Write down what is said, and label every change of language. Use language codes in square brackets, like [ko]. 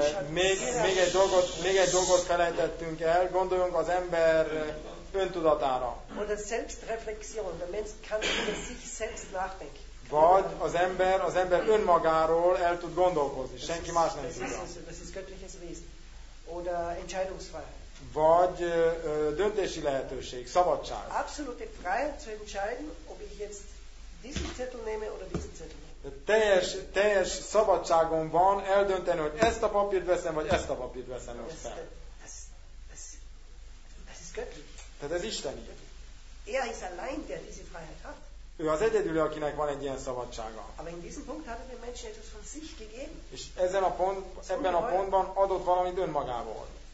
[hu] Még egy dolgot felejtettünk el, gondoljunk az ember öntudatára. [de] Oder Selbstreflexion, der Mensch kann über sich selbst nachdenken. [hu] Vagy az ember önmagáról el tud gondolkozni, senki más nem tudja. [de] Das ist göttliches Wesen. Oder Entscheidungsfreiheit. [hu] Vagy döntési lehetőség, szabadság. [de] Absolute Freiheit zu entscheiden, ob ich jetzt diesen Zettel nehme oder diesen Zettel nehme. [hu] Teljes szabadságom van eldönteni, hogy ezt a papírt veszem, vagy ezt a papírt veszem most fel. Ez [de] ist göttlich. [hu] Tehát ez isteni. [de] Er ist allein, der diese Freiheit hat. [hu] Ő az egyedül, akinek van egy ilyen szabadsága. [de] Aber in diesem Punkt hat der Mensch etwas von sich gegeben. [hu] És ezen a pont, ebben a pontban adott valamit önmagából.